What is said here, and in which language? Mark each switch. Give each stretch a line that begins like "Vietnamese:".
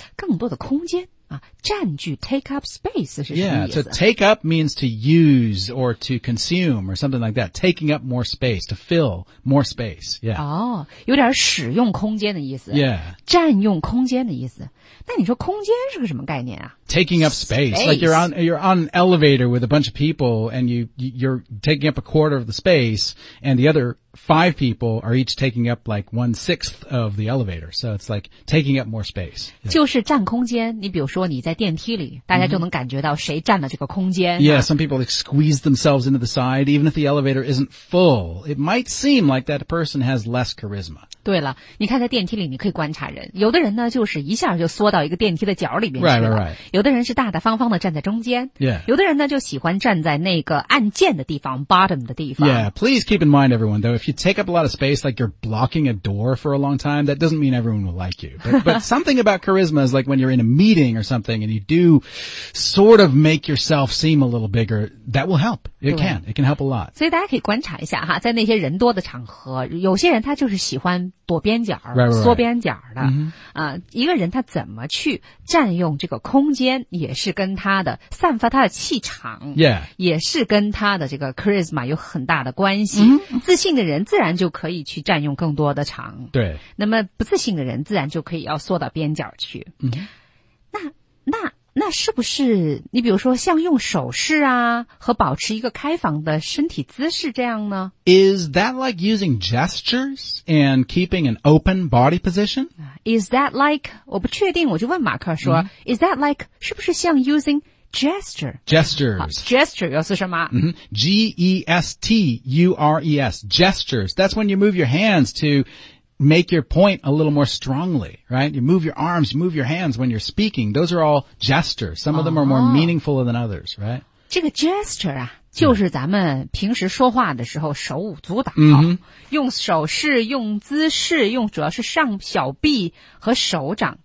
Chinese: 更多的空间、啊、占据
English: take up space
Chinese: 是什么意思
English: yeah, so take up means to use or to consume or something like that taking up more space to fill more space、yeah.
Chinese: 哦、有点使用空间的意思、
English: yeah.
Chinese: 占用空间的意思那你说空间是个什么概念啊
English: Taking up space. Space, like you're on an elevator with a bunch of people and you're taking up a quarter of the space and the other five people are each taking up like 1/6 of the elevator. So it's like taking up more space.、 Yeah.
Chinese: 就是占空间。你比如说你在电梯里大家就能感觉到谁占了这个空间。
English: Yeah, some people like squeeze themselves into the side even if the elevator isn't full. It might seem like that person has less charisma.
Chinese: 对了你看在电梯里你可以观察人。有的人呢就是一下就缩到一个电梯的角里面去了。
English: Right.
Chinese: 有的人是大大方方的站在中间、
English: yeah.
Chinese: 有的人呢就喜欢站在那个按键的地方 bottom 的地方
English: Yeah, please keep in mind everyone though if you take up a lot of space like you're blocking a door for a long time that doesn't mean everyone will like you but something about charisma is like when you're in a meeting or something and you do sort of make yourself seem a little bigger that will help it can help a lot
Chinese: 所以大家可以观察一下哈，在那些人多的场合有些人他就是喜欢躲边角
English: right.
Chinese: 缩边角的、
English: mm-hmm.
Chinese: 一个人他怎么去占用这个空间也是跟他的散发他的气场、
English: yeah.
Chinese: 也是跟他的这个 charisma 有很大的关系、
English: mm-hmm.
Chinese: 自信的人自然就可以去占用更多的场对那么不自信的人自然就可以要缩到边角去、
English: mm-hmm.
Chinese: 那是不是你比如说像用手势啊和保持一个开放的身体姿势这样呢
English: Is that like using gestures and keeping an open body position? Is that like,
Chinese: 我不确定我就问马克说、mm-hmm. Is that like, 是不是像
English: using gestures
Chinese: 又是什么、
English: mm-hmm. G-E-S-T-U-R-E-S, gestures, that's when you move your hands to... make your point a little more strongly, right? You move your arms, you move your hands when you're speaking. Those are all gestures. Some of them are more meaningful than others, right?
Chinese: 这个 gesture 啊就是咱们平时说话的时候手舞足蹈、
English: mm-hmm.
Chinese: 用手势用姿势用主要是上小臂和手掌